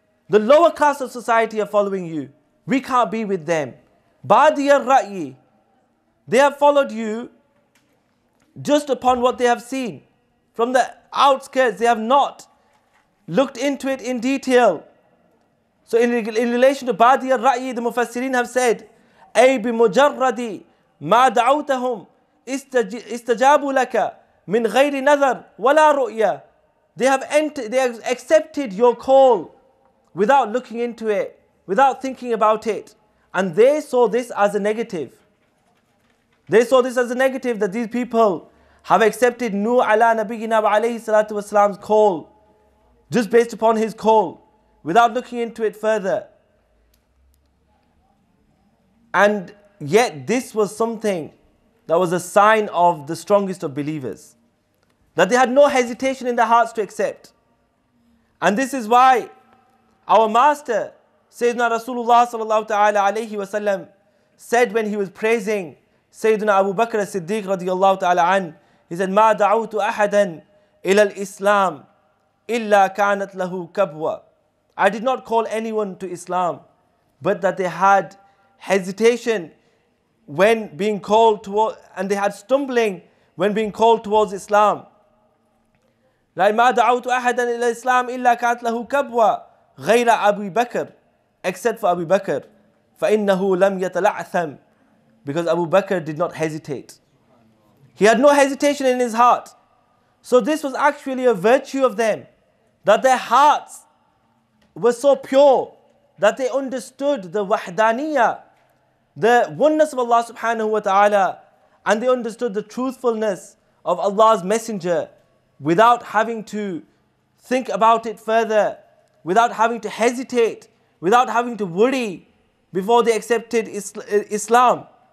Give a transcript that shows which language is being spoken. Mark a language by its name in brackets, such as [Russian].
[English] The lower class of society are following you. We can't be with them. Badiya al-ra'yi. They have followed you just upon what they have seen. From the outskirts, they have not looked into it in detail. So in relation to Badi al-Ra'yi, the Mufassirin have said, [Arabic] أي بمجرد ما دعوتهم استجابوا لك من غير نظر ولا رؤية. [English] They have entered, they have accepted your call without looking into it, without thinking about it. And they saw this as a negative. They saw this as a negative that these people have accepted Nuh ala Nabiyina wa alayhi salatu wasalam's call, just based upon his call, without looking into it further. And yet this was something that was a sign of the strongest of believers, that they had no hesitation in their hearts to accept. And this is why our master, Sayyiduna Rasulullah sallallahu ta'ala alayhi wa sallam, said when he was praising Sayyiduna Abu Bakr as-Siddiq radiyallahu ta'ala an, he said, [Arabic] مَا دَعُوتُ أَحَدًا إِلَى الْإِسْلَامِ إِلَّا كَانَتْ لَهُ كَبْوَةً. [English] I did not call anyone to Islam, but that they had hesitation when being called toward, and they had stumbling when being called towards Islam. Like, [Arabic] مَا دَعُوتُ أَحَدًا إِلَى الْإِسْلَامِ إِلَّا كَانَتْ لَهُ كَبْوَةً غَيْرَ أَبِي بَكْرٍ, [English] except for Abu Bakr. [Arabic] فَإِنَّهُ لَمْ يَتَلَعْثَمْ, [English] because Abu Bakr did not hesitate. He had no hesitation in his heart. So this was actually a virtue of them, that their hearts were so pure that they understood the wahdaniyah, the oneness of Allah subhanahu wa ta'ala, and they understood the truthfulness of Allah's messenger without having to think about it further, without having to hesitate, without having to worry before they accepted Islam.